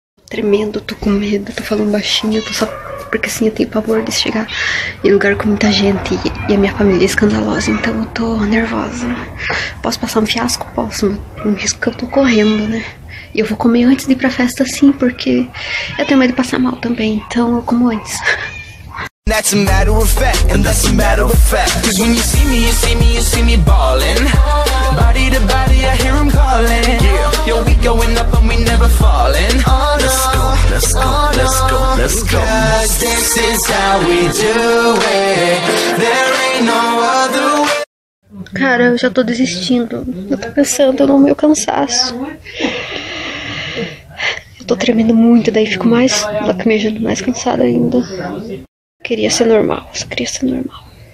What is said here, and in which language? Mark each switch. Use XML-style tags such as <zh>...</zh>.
<pt>Tremendo, tô com medo, tô falando baixinho, tô só... porque assim eu tenho pavor de chegar em lugar com muita gente e a minha família é escandalosa, então eu tô nervosa. Posso passar um fiasco? Posso, mas um risco que eu tô correndo, né? E eu vou comer antes de ir pra festa, sim, porque eu tenho medo de passar mal também, então eu como antes.</pt> <en>That's a matter of fact, and that's a matter of fact. Cause when you see me, you see me, you see me ballin'. Body to body, I hear him callin'. Yeah. Yo, we going up and we never fallin'. Oh, no. Let's go, let's go, oh, let's go, let's go. Cause this is how we do it. There ain't no other way.</en> <pt>Cara, eu já tô desistindo. Eu tô pensando no meu cansaço. Eu tô tremendo muito, daí fico mais lacrimejando, mais cansada ainda. Queria ser normal, só queria ser normal.</pt>